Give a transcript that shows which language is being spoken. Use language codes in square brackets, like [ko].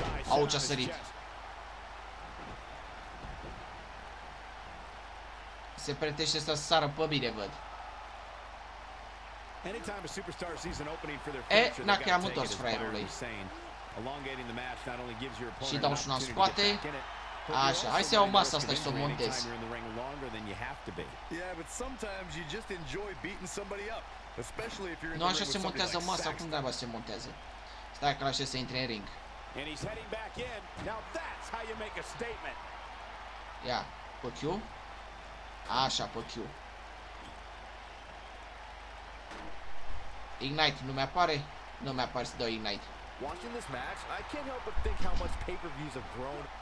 [ro] Au ce-a sărit. Se pretește să sară pe mine, văd. [en] Anytime a superstar sees an opening for their future, they got to take it as far as you're saying. Elongating the match not only gives your opponent an opportunity to get back in it, but you also know that if you're in the ring longer than you have to be. Yeah, but sometimes you just enjoy beating somebody up, especially if you're in the ring with somebody like Saxton. [ro] Stai că așa se intre în ring. [en] And he's heading back in. Now that's how you make a statement. [ro] Ia, pe Q. Așa, pe Q. Ignite nu mi-apare, nu mi-apare să dau Ignite. [en] Watching this match, I can't help but think how much pay-per-views have grown.